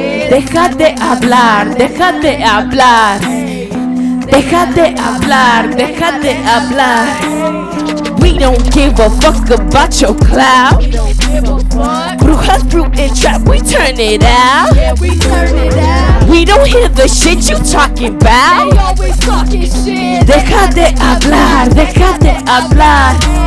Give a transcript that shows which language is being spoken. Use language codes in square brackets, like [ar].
[es] Deja de hablar, deja de hablar. Deja de hablar, deja de hablar. [en] We don't give a fuck about your clout. We don't give a fuck. Brujas, brew, and trap, we turn it out. Yeah, we turn it out. We don't hear the shit you talking about. They always talking shit. [es] Deja de hablar, deja de hablar.